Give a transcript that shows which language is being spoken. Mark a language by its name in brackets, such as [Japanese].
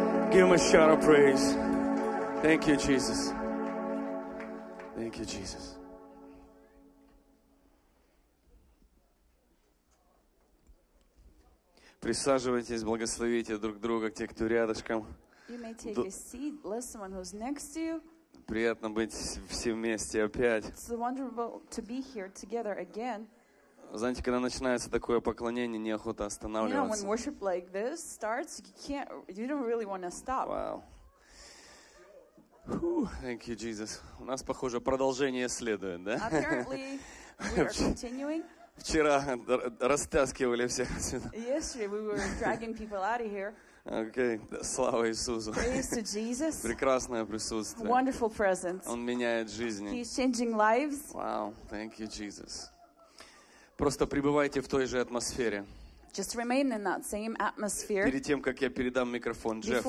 [English] Give him a shout of praise. Thank you, Jesus. [Russian] Присаживайтесь, благословите друг друга, те, кто рядышком. [English] You may take a seat, bless someone who's next to you. [Russian] Приятно быть все вместе опять. [English] It's wonderful to be here together again. [Russian] Знаете, когда начинается такое поклонение, неохота останавливаться. [English] You know, when worship like this starts, you don't really want to stop. Wow. Thank you, Jesus. [Russian] У нас, похоже, продолжение следует, да? [English] Apparently, we are continuing. [Russian] Вчера растаскивали всех. [English] Yesterday, we were dragging people out of here. [Russian] Окей, слава Иисусу. [English] Praise to Jesus. [Russian] Прекрасное присутствие. [English] Wonderful presence. [Russian] Он меняет жизни. [English] He's changing lives. Wow, thank you, Jesus. [Russian] Просто пребывайте в той же атмосфере. [English] Just remain in that same atmosphere. [Russian] Перед тем, как я передам микрофон Джеффу.